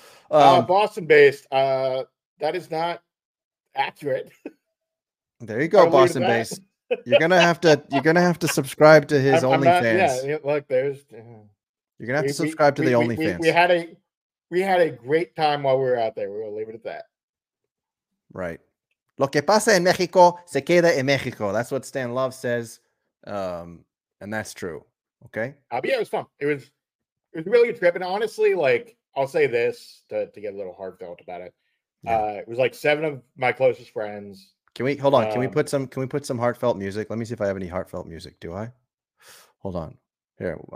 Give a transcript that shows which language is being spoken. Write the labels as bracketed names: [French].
[English] Boston based. That is not accurate. There you go, Boston based. You're gonna have to subscribe to his OnlyFans. Yeah, look, there's. You're gonna have to subscribe to the OnlyFans. We had a great time while we were out there. We're gonna leave it at that. Right. [Spanish] Lo que pasa en México se queda en México. [English] That's what Stan Love says, and that's true. Okay. Yeah, it was fun. It was a really good trip. And honestly, like I'll say this to get a little heartfelt about it. Yeah. It was like seven of my closest friends. Can we hold on? Can we put some heartfelt music? Let me see if I have any heartfelt music. Do I? Hold on. Here.